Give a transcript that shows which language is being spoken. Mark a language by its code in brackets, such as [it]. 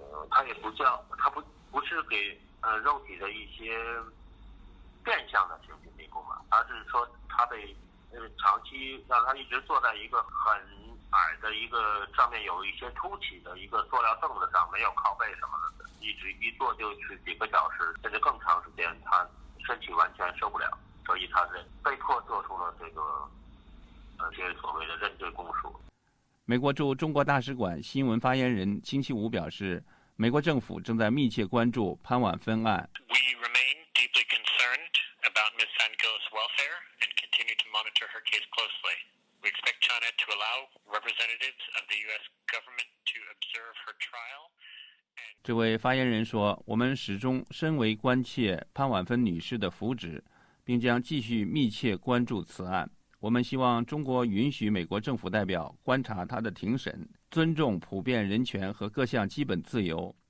[zh] 他也不叫他不是给肉体的一些变相的刑讯逼供嘛，他是说他被长期让他一直坐在一个很矮的一个上面有一些凸起的一个塑料凳子上，没有靠背什么的，一直一坐就是几个小时甚至更长时间，他身体完全受不了，所以他被迫做出了这个这些所谓的认罪供述。美国驻中国大使馆新闻发言人星期五表示，美国政府正在密切关注潘婉芬案。 [en] We remain deeply concerned about Ms. Van Gogh's welfare and continue to monitor her case closely. We expect China to allow representatives of the U.S. government for trial. [zh] 这位发言人说，我们始终深为关切潘婉芬女士的福祉，并将继续密切关注此案。我们希望中国允许美国政府代表观察她的庭审，尊重普遍人权和各项基本自由。